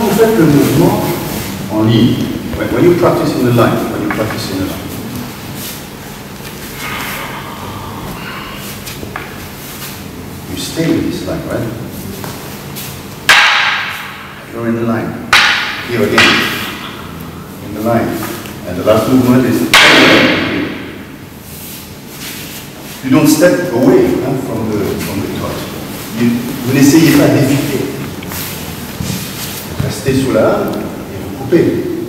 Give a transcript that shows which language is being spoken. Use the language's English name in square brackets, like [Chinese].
[French] fait le mouvement en ligne. [English] Right? When you practice in the line, when you practice in the line. You stay with this line, right? You're in the line. Here again. In the line. And the last movement is you don't step away hein, from the touch. [French] Vous n'essayez pas d'éviter. Restez sous la lame et vous coupez.